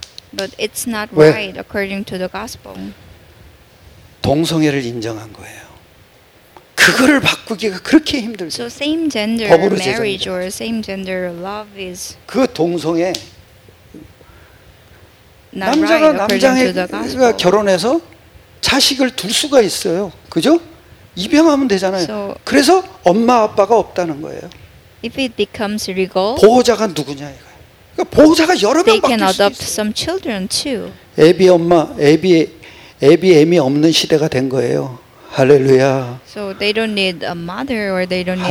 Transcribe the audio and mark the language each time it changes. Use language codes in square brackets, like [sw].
[en] But it's not right according to the gospel. [ko] 동성애를 인정한 거예요. 그거를 바꾸기가 그렇게 힘들죠. [en] So same gender marriage or same gender love is [ko] 그 동성애 [en] right [ko] 남자가 남자가 결혼해서 자식을 둘 수가 있어요. 그죠? 입양하면 되잖아요. [en] So [ko] 그래서 엄마 아빠가 없다는 거예요. [en] If it becomes legal [ko] 보호자가 누구냐 이거. 그러니까 보호자가 여러 명 [en] They can adopt some children too. [ko] 애비 엄마 애비 애미 없는 시대가 된 거예요. 할렐루야. [en] So they don't need a mother or they don't need